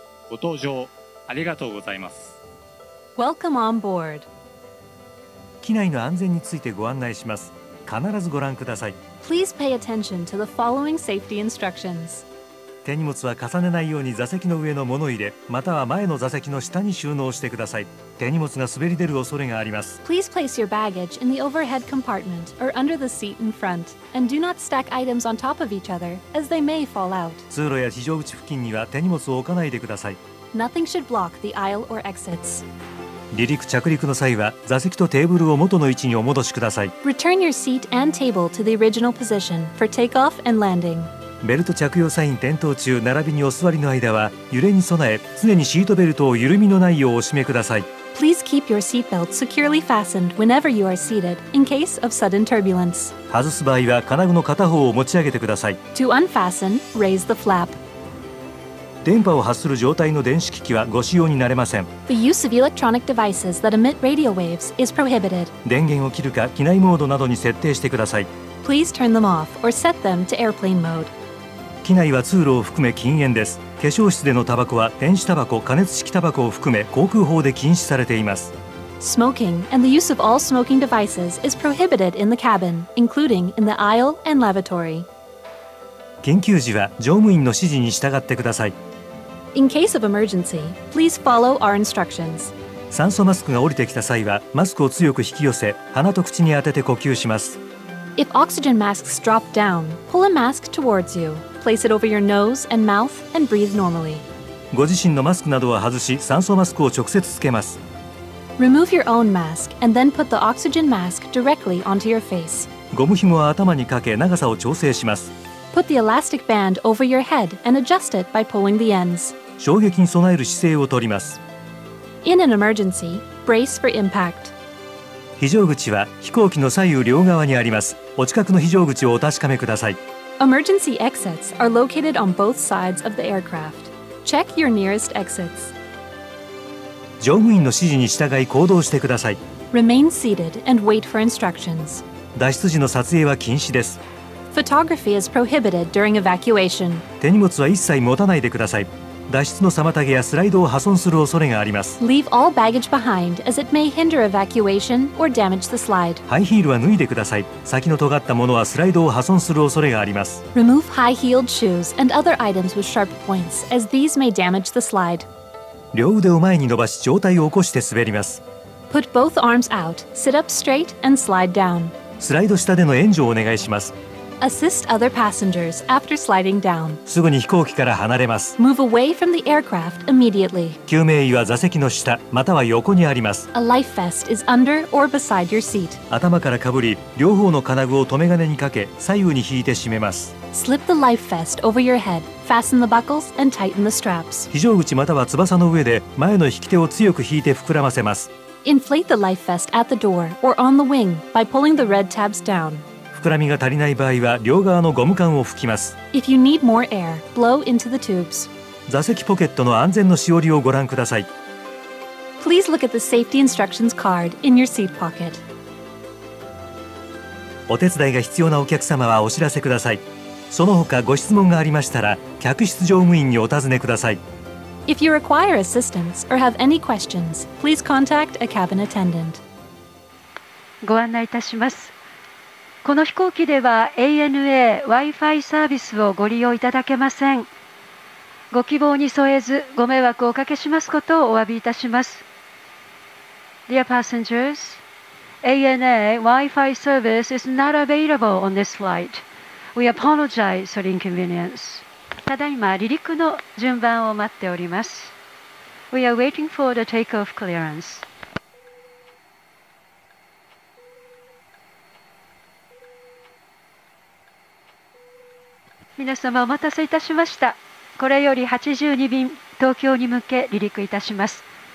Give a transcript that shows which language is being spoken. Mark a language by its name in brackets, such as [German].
[Japanese] ご搭乗ありがとうございます。 [English] Welcome on board. [Japanese] 機内の安全についてご案内します。必ずご覧ください。 [English] Please pay attention to the following safety instructions. [Japanese] 手荷物は重ねないように座席の上の物入れ、または前の座席の下に収納してください。手荷物が滑り出る恐れがあります。 [English] Please place your baggage in the overhead compartment or under the seat in front, and do not stack items on top of each other, as they may fall out. [Japanese] 通路や非常口付近には手荷物を置かないでください。 [English] Nothing should block the aisle or exits. [Japanese] 離陸・着陸の際は座席とテーブルを元の位置にお戻しください。 [English] Return your seat and table to the original position for takeoff and landing. [Japanese] ベルト着用サイン点灯中並びにお座りの間は揺れに備え、常にシートベルトを緩みのないようお締めください。 [English] Please keep your seatbelt securely fastened whenever you are seated in case of sudden turbulence. [Japanese] 外す場合は金具の片方を持ち上げてください。 [English] To unfasten, raise the flap. [Japanese] 電波を発する状態の電子機器はご使用になれません。 [English] The use of electronic devices that emit radio waves is prohibited. [Japanese] 電源を切るか機内モードなどに設定してください。 [English] Please turn them off or set them to airplane mode. [Japanese] 機内は通路を含め禁煙です。化粧室でのタバコは電子タバコ、加熱式タバコを含め航空法で禁止されています。 [English] Smoking and the use of all smoking devices is prohibited in the cabin, including in the aisle and lavatory. [Japanese] 緊急時は乗務員の指示に従ってください。 [English] In case of emergency, please follow our instructions. [Japanese] 酸素マスクが降りてきた際はマスクを強く引き寄せ、鼻と口に当てて呼吸します。 [English] If oxygen masks drop down, pull a mask towards you. Place it over your nose and mouth and breathe normally. [Japanese] ご自身のマスクなどは外し、酸素マスクを直接つけます。 [English] Remove your own mask and then put the oxygen mask directly onto your face. [Japanese] ゴム紐は頭にかけ、長さを調整します。 [English] Put the elastic band over your head and adjust it by pulling the ends. [Japanese] 衝撃に備える姿勢をとります。 [English] In an emergency, brace for impact. [Japanese] 非常口は飛行機の左右両側にあります。お近くの非常口をお確かめください。 [English] Emergency exits are located on both sides of the aircraft. Check your nearest exits. [Japanese] 乗務員の指示に従い行動してください。 [English] Remain seated and wait for instructions. [Japanese] 脱出時の撮影は禁止です。 [English] Photography is prohibited during evacuation. [Japanese] 手荷物は一切持たないでください。脱出の妨げやスライドを破損する恐れがあります。 [English] Leave all baggage behind as it may hinder evacuation or damage the slide. [Japanese] ハイヒールは脱いでください。先の尖ったものはスライドを破損する恐れがあります。 [English] Remove high-heeled shoes and other items with sharp points as these may damage the slide. [Japanese] 両腕を前に伸ばし上体を起こして滑ります。 [English] Put both arms out, sit up straight and slide down. [Japanese] スライド下での援助をお願いします。 [English] Assist other passengers after sliding down. [Japanese] すぐに飛行機から離れます。 [English] Move away from the aircraft immediately. [Japanese] 救命衣は座席の下または横にあります。 [English] A life vest is under or beside your seat. [Japanese] 頭からかぶり、両方の金具を留め金にかけ、左右に引いて締めます。 [English] Slip the life vest over your head. Fasten the buckles and tighten the straps. [Japanese] 非常口または翼の上で前の引き手を強く引いて膨らませます。 [English] Inflate the life vest at the door or on the wing by pulling the red tabs down. [Japanese] 膨らみが足りない場合は両側のゴム管を吹きます。 [English] If you need more air, blow into the tubes. [Japanese] 座席ポケットの安全のしおりをご覧ください。 [English] Please look at the safety instructions card in your seat pocket. [Japanese] お手伝いが必要なお客様はお知らせください。その他ご質問がありましたら客室乗務員にお尋ねください。 [English] If you require assistance or have any questions, please contact a cabin attendant. [Japanese] ご案内いたします。この飛行機では ANA Wi-Fi サービスをご利用いただけません。ご希望に添えずご迷惑をおかけしますことをお詫びいたします。 [English] Dear passengers, ANA Wi-Fi service is not available on this flight. We apologize for inconvenience. [Japanese] ただいま離陸の順番を待っております。 [English] We are waiting for the takeoff clearance. [Japanese] 皆様お待たせいたしました。これより82便東京に向け離陸いたします。